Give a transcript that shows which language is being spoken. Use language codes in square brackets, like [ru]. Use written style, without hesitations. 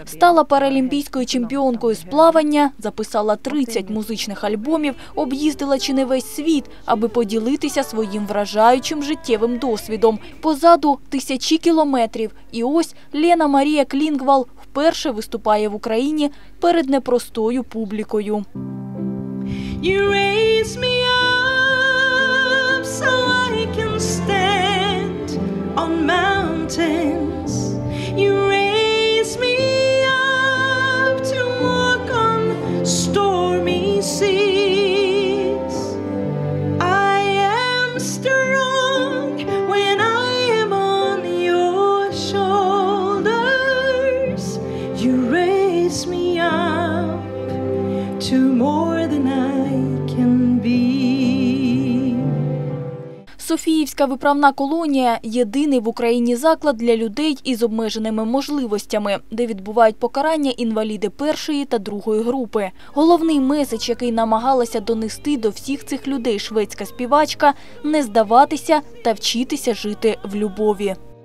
[uk] Стала паралімпійською чемпіонкою з плавання, записала 30 музичних альбомів, об'їздила чи не весь світ, аби поділитися своїм вражаючим життєвим досвідом. Позаду тисячі кілометрів. І ось Лена Марія Клінгвал вперше виступає в Україні перед непростою публікою. [en] You raise me up so I can stand on mountains. You raise me up to walk on stormy seas. I am strong when I am on your shoulders. You raise me up to more than I can be. [uk] Софіївська виправна колонія – єдиний в Україні заклад для людей із обмеженими можливостями, де відбувають покарання інваліди першої та другої групи. Головний меседж, який намагалася донести до всіх цих людей шведська співачка – не здаватися та вчитися жити в любові.